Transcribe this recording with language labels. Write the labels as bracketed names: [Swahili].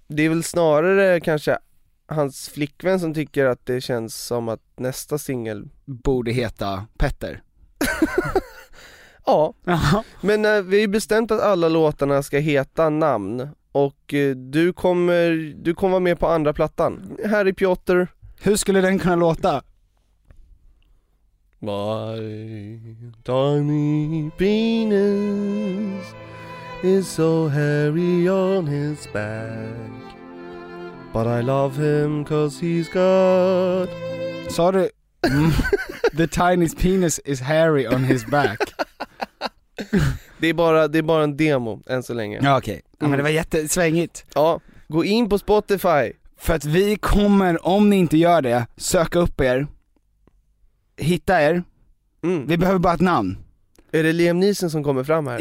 [Swedish] Det är väl snarare kanske hans flickvän som tycker att det känns som att nästa singel borde heta Petter. Ja. Aha. Men vi har ju bestämt att alla låtarna ska heta namn. Och du kommer vara med på andra plattan. Här i Piotr. Hur skulle den kunna låta? [English] My tiny penis is so hairy on his back, but I love him 'cause he's got... [Swedish] Sa du [English] the tiny penis is hairy on his back? [Swedish] Det är bara en demo än så länge. Ja, okej. Okay. Ja, men det var jättesvängigt. Ja, gå in på Spotify. För att vi kommer, om ni inte gör det, söka upp er. Hitta er. Mm. Vi behöver bara ett namn. Är det Liam Neeson som kommer fram här?